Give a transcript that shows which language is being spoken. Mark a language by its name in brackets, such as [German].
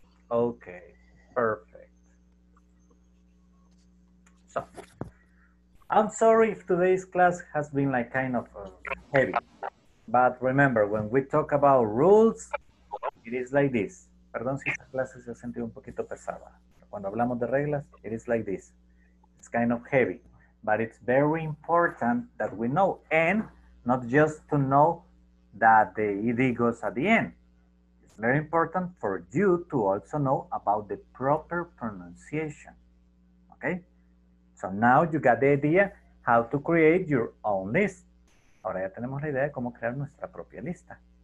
[English] Okay, perfect. So, I'm sorry if today's class has been like kind of heavy, but remember, when we talk about rules, it is like this. [Spanish] Perdón si esta clase se ha sentido un poquito pesada. Cuando hablamos de reglas, [English] it is like this. It's kind of heavy, but it's very important that we know, and not just to know that the ED goes at the end. It's very important for you to also know about the proper pronunciation, okay? So now you got the idea how to create your own list. [Spanish] Ahora ya tenemos la idea de cómo crear nuestra propia lista.